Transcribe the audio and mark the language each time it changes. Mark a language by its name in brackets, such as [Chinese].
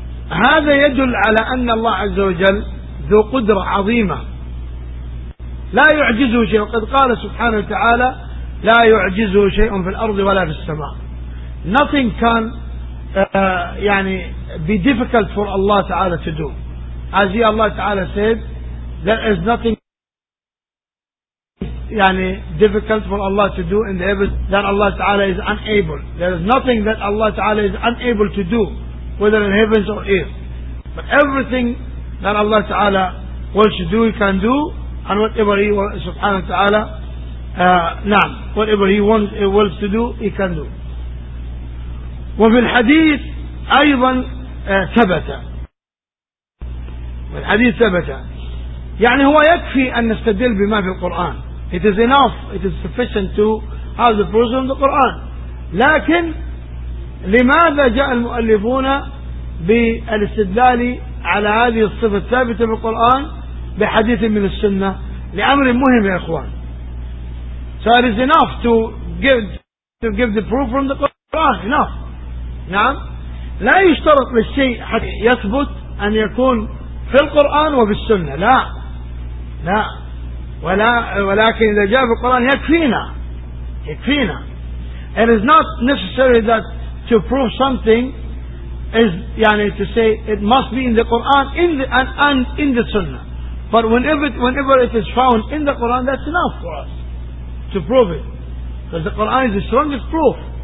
[Arabic] فهذا يدل على أن الله عز وجل ذو قدرة عظيمة لا يعجزه شيء. وقد قال سبحانه وتعالى لا يعجزه شيء في الأرض ولا في السماء. [English] Nothing can يعني be difficult for Allah تعالى to do. As he Allah تعالى said, there is nothing يعني difficult for Allah to do in the heavens that Allah Ta'ala is unable. There is nothing that Allah Ta'ala is unable to do, whether in heavens or earth. But everything that Allah Ta'ala wants to do, He can do, and whatever He wants, Subhanahu wa Ta'ala, نعم, whatever He wants, He wants to do, He can do. [Arabic] وفي الحديث أيضا ثبت. والحديث ثبت. يعني هو يكفي أن نستدل بما في القرآن. [English] It is enough, it is sufficient to have the proof of the Quran. [Arabic] لكن لماذا جاء المؤلفون بالاستدلال على هذه الصفة الثابتة في القرآن بحديث من السنة؟ لأمر مهم يا إخوان. [English] So it is enough to give the proof from the Quran. Enough. نعم. [Arabic] لا يشترط للشيء حتى يثبت أن يكون في القرآن وبالسنة، لا لا، ولا ولكن إذا جاء في القرآن يكفينا، يكفينا. [English] It is not necessary that to prove something is يعني to say it must be in the Quran in the, and in the Sunnah. But whenever it is found in the Quran, that's enough for us to prove it. Because the Quran is the strongest proof.